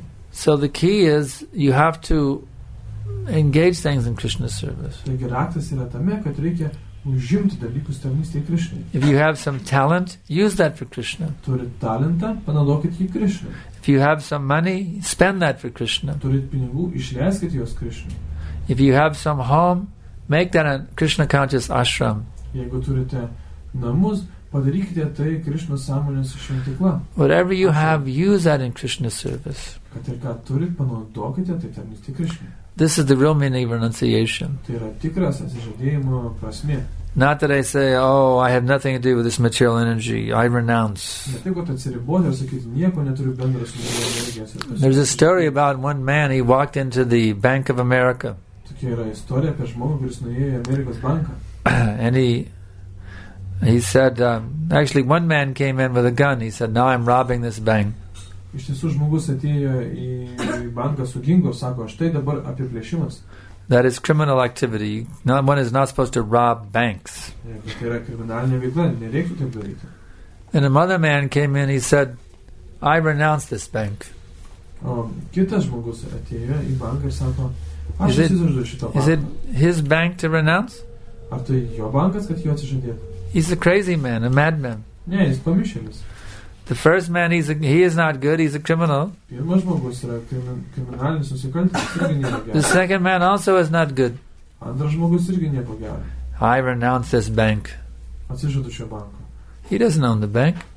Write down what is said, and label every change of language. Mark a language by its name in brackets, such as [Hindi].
[English] So the key is, you have to engage things in Krishna's service. If you have some talent, use that for Krishna. [Lithuanian] Turi talentą, panaudokit jį Krishna. [English] If you have some money, spend that for Krishna. [Lithuanian] Turit pinigų, išleiskit juos Krishna. [English] If you have some home, make that a Krishna conscious ashram. [Lithuanian] Jeigu turite namus, padarykite tai Krishna sąmonės šventykla. [English] Whatever you have, use that in Krishna's service. [Lithuanian] Kad ir ką turit, panaudokite tai tarnystei Krishna. [English] This is the real meaning of renunciation. [Lithuanian] Tai yra tikras atsižadėjimo prasmė. [English] Not that I say, oh, I have nothing to do with this material energy, I renounce. There's a story about one man, he walked into the Bank of America. And he said, actually one man came in with a gun, he said, now I'm robbing this bank. [Lithuanian] Iš tiesų žmogus atėjo į banką su ginklu, sako, štai dabar apie plėšimas. [English] That is criminal activity. No, one is not supposed to rob banks. [Lithuanian] Tai yra kriminalinė veikla, nereiktų taip daryti. [English] And another man came in, he said, I renounce this bank. [Lithuanian] O kitas žmogus atėjo į banką ir sako, aš atsižadu šito banko. [English] Is it his bank to renounce? [Lithuanian] Ar tai jo bankas, kad jo atsižadėtų? [English] He's a crazy man, a madman. [Lithuanian] Ne, jis pamišėlis. [English] The first man, he is not good, he's a criminal. The second man also is not good. I renounce this bank. He doesn't own the bank.